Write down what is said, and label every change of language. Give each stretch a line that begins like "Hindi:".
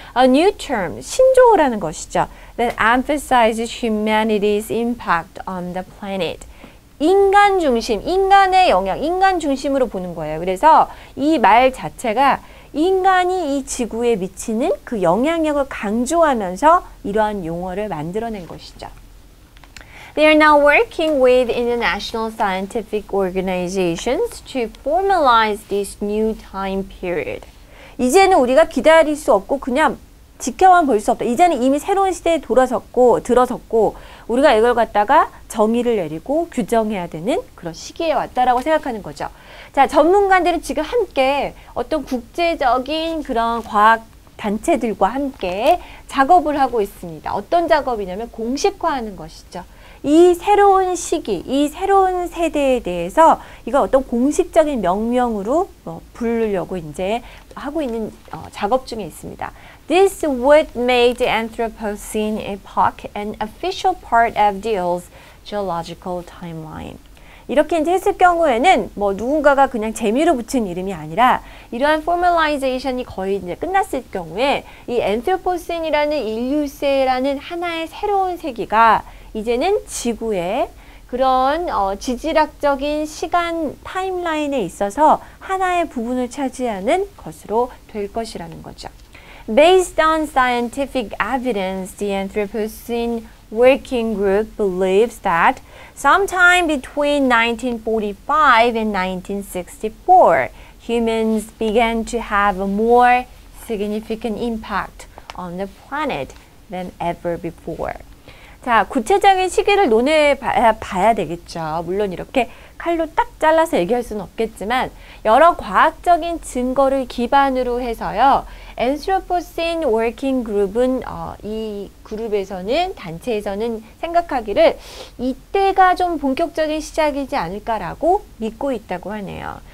English: A new term,
Korean: 신조어라는 것이죠.
English: That emphasizes humanity's impact on the planet.
Korean: 인간 중심, 인간의 영향, 인간 중심으로 보는 거예요. 그래서 이 말 자체가 인간이 이 지구에 미치는 그 영향력을 강조하면서 이러한 용어를 만들어낸 것이죠.
English: They are now working with international scientific organizations to formalize this new time period.
Korean: 이제는 우리가 기다릴 수 없고 그냥 지켜만 볼 수 없다. 이제는 이미 새로운 시대에 들어섰고 우리가 이걸 갖다가 정의를 내리고 규정해야 되는 그런 시기에 왔다라고 생각하는 거죠. 자, 전문가들은 지금 함께 어떤 국제적인 그런 과학 단체들과 함께 작업을 하고 있습니다. 어떤 작업이냐면 공식화하는 것이죠. 이 새로운 시기, 이 새로운 세대에 대해서 이거 어떤 공식적인 명명으로 부르려고 이제 하고 있는 작업 중에 있습니다.
English: This would make the Anthropocene epoch an official part of the Earth's geological timeline.
Korean: 이렇게 이제 했을 경우에는 뭐 누군가가 그냥 재미로 붙인 이름이 아니라 이러한 formalization이 거의 이제 끝났을 경우에 이 Anthropocene이라는 인류세라는 하나의 새로운 세기가 이제는 지구의 그런 지질학적인 시간 타임라인에 있어서 하나의 부분을 차지하는 것으로 될 것이라는 거죠.
English: Based on scientific evidence, the Anthropocene Working Group believes that sometime between 1945 and 1964, humans began to have a more significant impact on the planet than ever before.
Korean: 자, 구체적인 시기를 논해봐야 되겠죠. 물론 이렇게 칼로 딱 잘라서 얘기할 수는 없겠지만 여러 과학적인 증거를 기반으로 해서요. Anthropocene Working Group은 이 그룹에서는 단체에서는 생각하기를 이때가 좀 본격적인 시작이지 않을까라고 믿고 있다고 하네요.